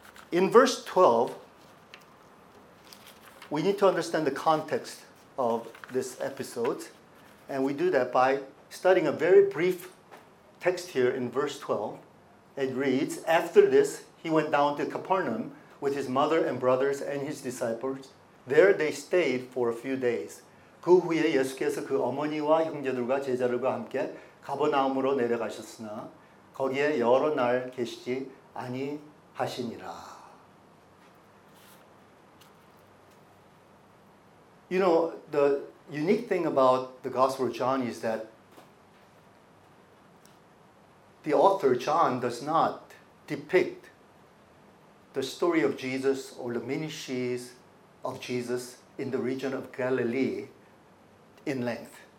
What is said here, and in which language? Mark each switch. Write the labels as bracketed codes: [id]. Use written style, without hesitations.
[en] In verse 12, we need to understand the context of this episode. And we do that by studying a very brief text here in verse 12. It reads, after this, he went down to Capernaum with his mother and brothers and his disciples. There they stayed for a few days. [ko] 그 후에 예수께서 그 어머니와 형제들과 제자들과 함께 가버나움으로 내려가셨으나 거기에 여러 날 계시지 아니하시니라. [en] You know, the unique thing about the Gospel of John is that the author, John, does not depict the story of Jesus or the ministries of Jesus in the region of Galilee in length.